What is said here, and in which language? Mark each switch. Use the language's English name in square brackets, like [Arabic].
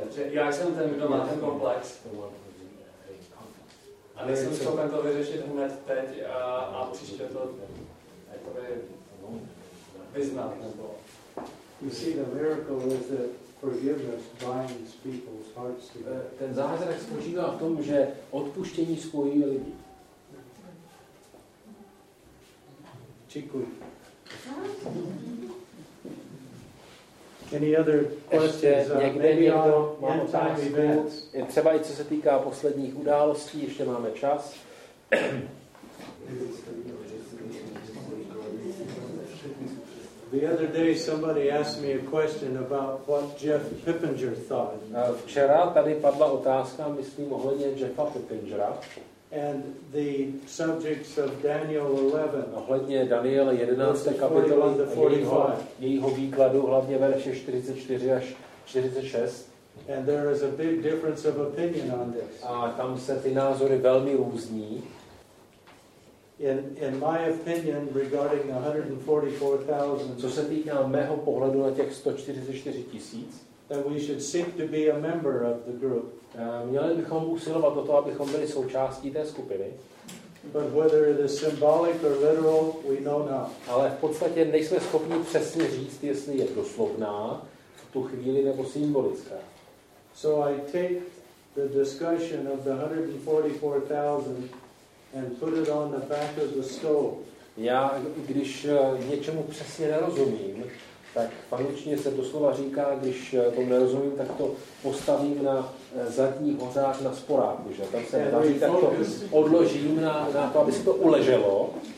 [Czech] Já jsem ten, kdo má ten komplex. A nejsem schopen to vyřešit hned teď a příště to vyznat. [English] You see, the miracle is that forgiveness binds people's hearts together. [Czech] Ten zázrak spočívá v tom, že odpuštění spojí lidi. Čikuj. [English] Any other questions? [Czech] Někde někdo má otázku? Třeba i co se týká posledních událostí, ještě máme čas. [English] The other day somebody asked me a question about what Jeff Pippinger thought. [Czech] Včera tady padla otázka, myslím, ohledně Jeffa Pippingera. [English] And the subjects of Daniel 11. [Czech] Ohledně Daniela 11. kapitoly, jejího výkladu, hlavně verše 44 až 46. [English] And there is a big difference of opinion on this. [Czech] A tam se ty názory velmi různí. [English] In my opinion regarding 144,000, [Czech] co se týká mého pohledu na těch 144 tisíc, [English] that we should seek to be a member of the group. [Czech] Měli bychom usilovat o to, abychom byli součástí té skupiny. [English] But whether it is symbolic or literal, we know not. [Czech] Ale v podstatě nejsme schopni přesně říct, jestli je doslovná v tu chvíli nebo symbolická. [English] So I take the discussion of the 144,000 and put it on the back of the stove. [Czech] Já, když něčemu přesně nerozumím, tak v angličtině se doslova říká, když tomu nerozumím, tak to postavím na zadní hořák na sporáku, že? Tam se nedaří, tak to odložím na to, aby se to uleželo.